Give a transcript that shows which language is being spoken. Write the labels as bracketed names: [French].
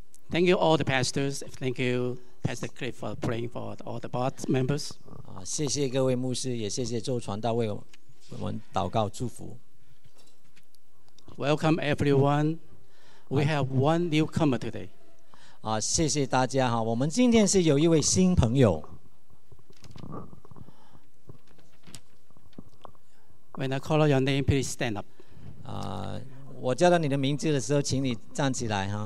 [English] Thank you all the pastors. Thank you Pastor Cliff for praying for all the board members. [Chinese] 谢谢各位牧师，也谢谢周传道为我们祷告祝福。 [English] Welcome everyone. We have one newcomer today. [Chinese] 谢谢大家哈，我们今天是有一位新朋友。 [English] When I call your name, please stand up. [Chinese] 我叫到你的名字的时候，请你站起来哈。